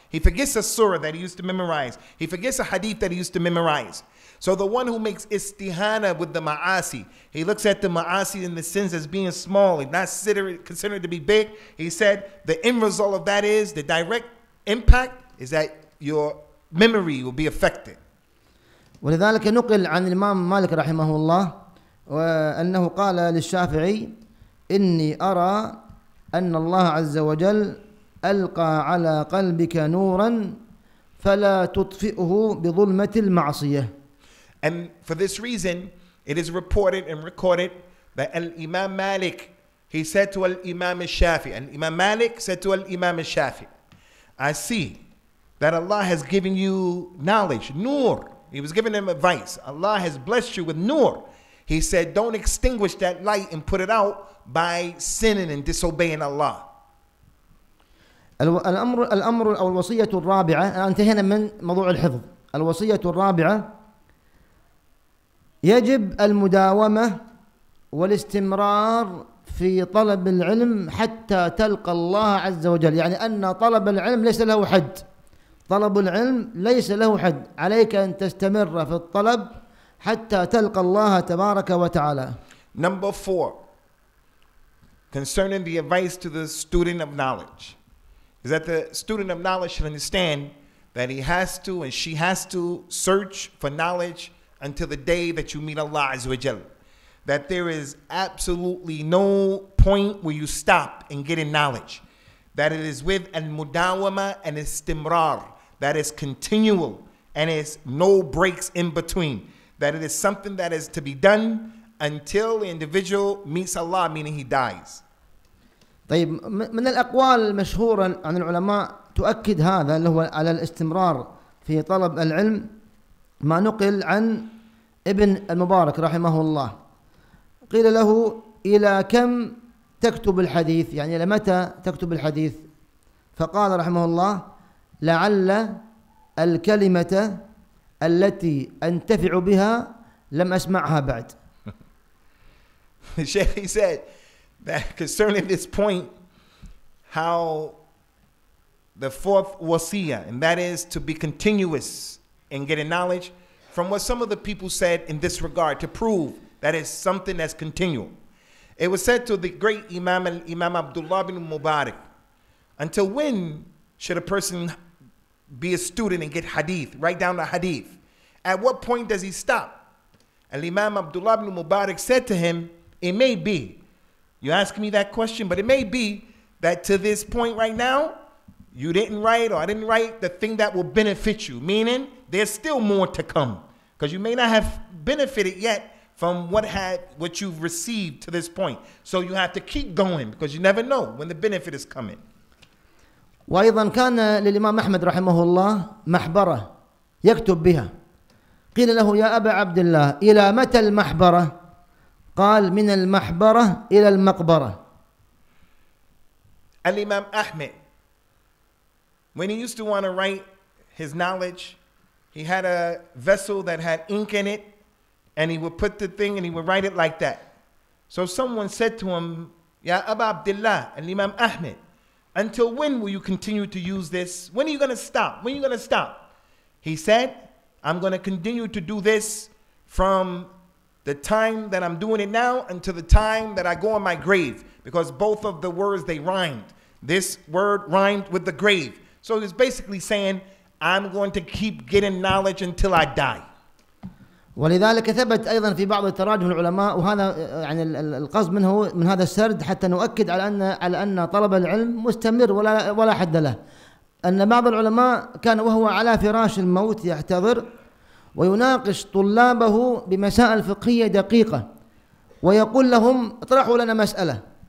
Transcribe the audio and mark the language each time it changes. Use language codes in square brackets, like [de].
[en] He forgets a surah that he used to memorize. He forgets a hadith that he used to memorize. So the one who makes istihana with the ma'asi, he looks at the ma'asi and the sins as being small and not considered to be big. He said the end result of that is, the direct impact is that your memory will be affected. [ar] ولذلك نقل عن الإمام مالك رحمه الله وأنه قال للشافعي إني أرى أن الله عز وجل ألقى على قلبك نورا فلا تطفئه بظلمة المعصية. [en] And for this reason, it is reported and recorded that Al-Imam Malik, he said to Al-Imam al-Shafi, Al-Imam Malik said to Al-Imam al-Shafi, I see that Allah has given you knowledge, nur. He was giving him advice. Allah has blessed you with nur. He said, don't extinguish that light and put it out by sinning and disobeying Allah. [ar] الأمر أو الوصية الرابعة انتهينا من موضوع الحفظ. الوصية الرابعة يجب المداومة والاستمرار في طلب العلم حتى تلقى الله عز وجل. يعني أن طلب العلم ليس له حد. طلب العلم ليس له حد. عليك أن تستمر في الطلب حتى تلقى الله تبارك وتعالى. [en] Number four, concerning the advice to the student of knowledge, is that the student of knowledge should understand that he has to and she has to search for knowledge until the day that you meet Allah Azza wa Jal. That there is absolutely no point where you stop in getting knowledge. That it is with al-mudawama and istimrar. That is continual and is no breaks in between. That it is something that is to be done until the individual meets Allah, meaning he dies. [ar] طيب من الأقوال المشهورة عن العلماء تؤكد هذا اللي هو على الاستمرار في طلب العلم ما نقل عن ابن المبارك رحمه الله قيل له إلى كم تكتب الحديث يعني إلى متى تكتب الحديث فقال رحمه الله لعل الكلمة التي أنتفع بها لم أسمعها بعد. [en] الشيخ he said that concerning this point how the fourth wasiyah and that is to be continuous in getting knowledge. From what some of the people said in this regard to prove that it's something that's continual. It was said to the great Imam al-Imam Abdullah bin Mubarak, until when should a person be a student and get hadith, write down the hadith? At what point does he stop? Al-Imam Abdullah bin Mubarak said to him, it may be, you ask me that question, but it may be that to this point right now, you didn't write or I didn't write the thing that will benefit you, meaning there's still more to come because you may not have benefited yet from what you've received to this point. So you have to keep going because you never know when the benefit is coming. [ar] وأيضا كان للإمام أحمد رحمه الله محبرة يكتب بها. قيل له يا أبا عبد الله إلى متى المحبرة؟ قال من المحبرة إلى المقبرة. [en] الإمام أحمد, when he used to want to write his knowledge, he had a vessel that had ink in it, and he would put the thing and he would write it like that. So someone said to him, Ya Aba Abdullah, al-Imam Ahmed, until when will you continue to use this? When are you going to stop? When are you going to stop? He said, I'm going to continue to do this from the time that I'm doing it now until the time that I go on my grave, because both of the words, they rhymed. This word rhymed with the grave. So he's basically saying, I'm going to keep getting knowledge until I die. [ar] ولذلك ثبت أيضا في بعض التراجم العلماء وهذا يعني القصد منه من هذا السرد حتى نؤكد على أن طلب العلم مستمر ولا حد له. أن بعض العلماء كان وهو على فراش الموت يحتضر ويناقش طلابه بمسائل فقهية دقيقة ويقول لهم اطرحوا لنا مسألة